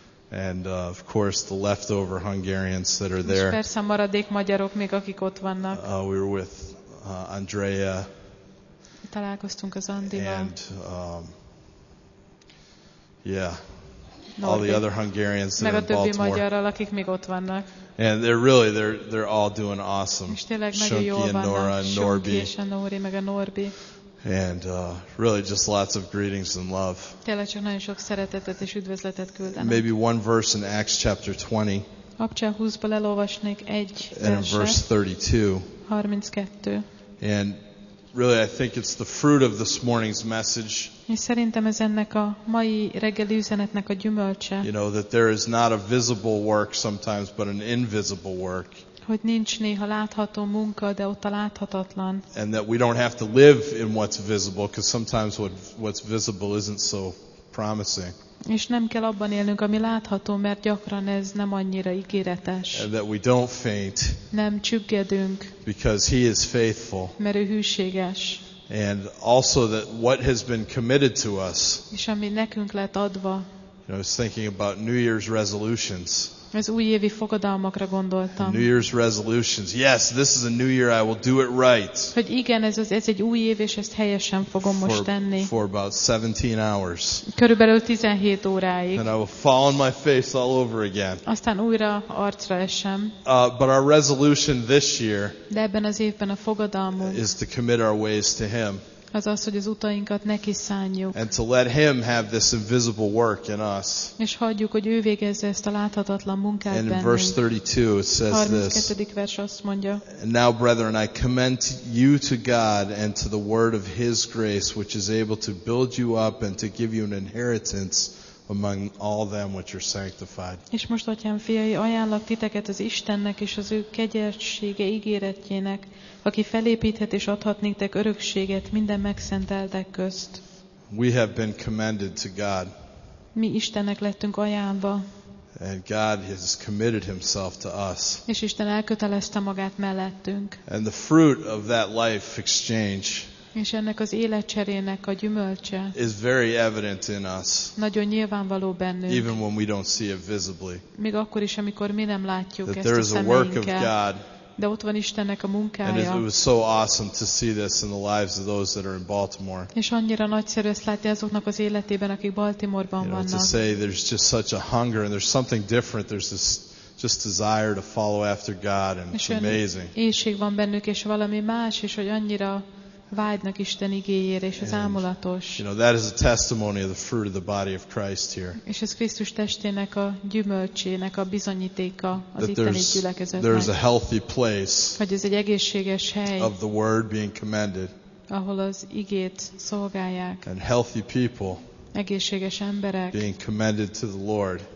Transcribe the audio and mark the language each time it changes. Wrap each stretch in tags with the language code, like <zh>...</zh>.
<en>And of course the leftover Hungarians that are there.</en> <hu>És persze maradék magyarok még, akik ott vannak.</hu> <en>We were with Andrea.</en> <hu>Találkoztunk az Andival.</hu> <en>And yeah. Norbi. All the other Hungarians that are in Baltimore.</en> <hu>Meg a többi magyarral, akik még ott vannak.</hu> <en>And they're all doing awesome.</en> <hu>És tényleg nagyon jól vannak.</hu> <en>Nora and Norbi.</en> <hu>Sonki és a Nori, meg a Norbi.</hu> <en>And really just lots of greetings and love.</en> <hu>Tényleg csak nagyon sok szeretetet és üdvözletet küldenek.</hu> <en>Maybe one verse in Acts chapter 20.</en> <hu>Abcsa 20-ból elolvasnék egy verset.</hu> <en>And verse 32. And really I think it's the fruit of this morning's message.</en> <hu>És szerintem ez ennek a mai reggeli üzenetnek a gyümölcse.</hu> <en>You know that there is not a visible work sometimes but an invisible work.</en> <hu>Hogy nincs néha látható munka, de ott a láthatatlan.</hu> <en>And that we don't have to live in what's visible, because sometimes what's visible isn't so promising.</en> <hu>És nem kell abban élnünk, ami látható, mert gyakran ez nem annyira ígéretes.</hu> <en>And that we don't faint.</en> <hu>Nem csüggedünk.</hu> <en>Because he is faithful.</en> <hu>Mert ő hűséges.</hu> <en>And also that what has been committed to us.</en> <hu>És ami nekünk lett adva.</hu> <en>You know, I was thinking about New Year's resolutions.</en> <hu>Az újévi fogadalmakra gondoltam.</hu> <en>New Year's resolutions. Yes, this is a new year, I will do it right.</en> <hu>Hogy igen, ez egy új év, és ezt helyesen fogom most tenni.</hu> <en>For about 17 hours.</en> <hu>Körülbelül 17 óráig.</hu> <en>And I will fall on my face all over again.</en> <hu>Aztán újra arcra esem.</hu> <en>But our resolution this year,</en> <hu>de ebben az évben a fogadalmunk,</hu> <en>is to commit our ways to him.</en> <hu>Az, hogy az utainkat neki szánjuk.</hu> <en>And to let him have this invisible work in us.</en> <hu>És hagyjuk, hogy ő végezze ezt a láthatatlan munkát bennünk.</hu> <en>And in verse 32 it says this.</en> <hu>32. vers azt mondja.</hu> <en>And now, brethren, I commend you to God and to the word of his grace, which is able to build you up and to give you an inheritance among all them which are sanctified.</en> <hu>És most, atyám fiai, ajánlok titeket az Istennek és az ő kegyessége ígéretjének, aki felépíthet és adhat néktek örökséget minden megszenteltek közt.</hu> <en>We have been commended to God.</en> <hu>Mi Istennek lettünk ajánlva.</hu> <en>And God has committed himself to us.</en> <hu>És Isten elkötelezte magát mellettünk.</hu> <en>And the fruit of that life exchange.</en> <hu>És ennek az életcserének a gyümölcse.</hu> <en>Is very evident in us.</en> <hu>Nagyon nyilvánvaló bennünk.</hu> <en>Even when we don't see it visibly.</en> <hu>Még akkor is, amikor mi nem látjuk</hu> <en>that</en> <hu>ezt</hu> <en>there is</en> <hu>a szemeinkkel.</hu> <en>A work of God.</en> <hu>De ott van Istennek a munkája.</hu> <en>And it was so awesome to see this in the lives of those that are in Baltimore.</en> <hu>És annyira nagyszerű ezt látni azoknak az életében, akik Baltimore-ban vannak.</hu> <en>You know, to say there's just such a hunger and there's something different. There's this just desire to follow after God, and it's amazing.</en> <hu>Éhség van bennük, és valami más, és hogy annyira vágynak Isten igéjére, és az ámulatos.</hu> <en>You know, that is a testimony of the fruit of the body of Christ here.</en> <hu>És ez Krisztus testének a gyümölcsének a bizonyítéka az itteni gyülekezetnek.</hu> <en>There is a healthy place.</en> <hu>Hogy ez egy egészséges hely.</hu> <en>Of the word being commended.</en> <hu>Ahol az igét szolgálják.</hu> <en>And healthy people.</en> <hu>Egészséges emberek.</hu> <en>Being commended to the Lord.</en>